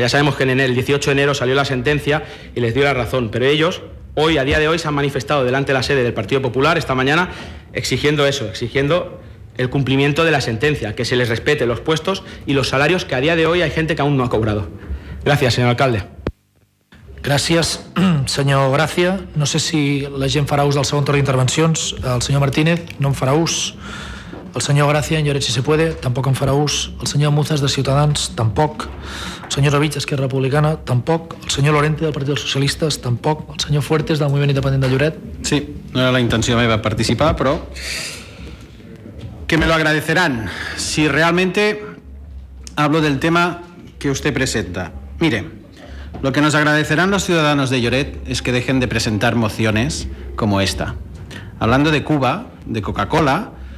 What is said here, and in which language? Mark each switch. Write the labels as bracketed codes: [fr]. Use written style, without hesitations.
[es] Ya sabemos que en el 18 de enero salió la sentencia y les dio la razón, pero ellos hoy, a día de hoy, se han manifestado delante de la sede del Partido Popular esta mañana exigiendo el cumplimiento de la sentencia, que se les respete los puestos y los salarios, que a día de hoy hay gente que aún no ha cobrado. Gracias, señor alcalde. [ca] Gràcies, senyor Gràcia. No sé si la gent farà ús del segon torn d'intervencions. El senyor Martínez no en farà ús. El senyor Gràcia, en Lloret, si se puede, tampoc en farà ús. El senyor Muzas, de Ciutadans, tampoc. El senyor Rovich, d'Esquerra Republicana, tampoc. El senyor Lorente, del Partit dels Socialistes, tampoc. El senyor Fuertes, del Moviment Independent de Lloret. Sí, no era la intenció meva participar, però... [es] Que me lo agradecerán si realmente hablo del tema que usted presenta. Mire... Lo que nos agradecerán los ciudadanos de Lloret es que dejen de presentar mociones como esta, hablando de Cuba, de Coca-Cola